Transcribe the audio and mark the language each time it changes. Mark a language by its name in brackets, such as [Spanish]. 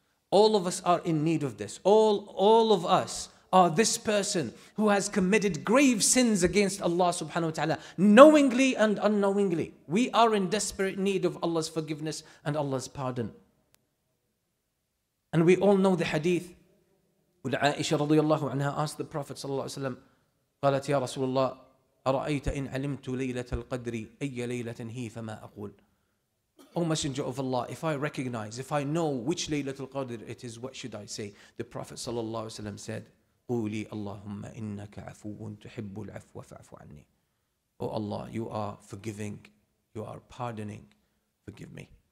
[English] All of us are in need of this. All of us are this person who has committed grave sins against Allah subhanahu wa ta'ala, knowingly and unknowingly. We are in desperate need of Allah's forgiveness and Allah's pardon. And we all know the hadith. When Aisha radiallahu anha asked the Prophet sallallahu alayhi wa sallam, [Arabic] قالت يا رسول الله أرأيت إن علمت ليلة القدر أي ليلة هي فما أقول. [English] O Messenger of Allah, if I recognize, if I know which Laylatul Qadr it is, what should I say? The Prophet sallallahu alayhi wa sallam said, [Arabic] قولي اللهم إنك عفو تحب العفو فاعف عني. [English] O Allah, you are forgiving, you are pardoning, forgive me.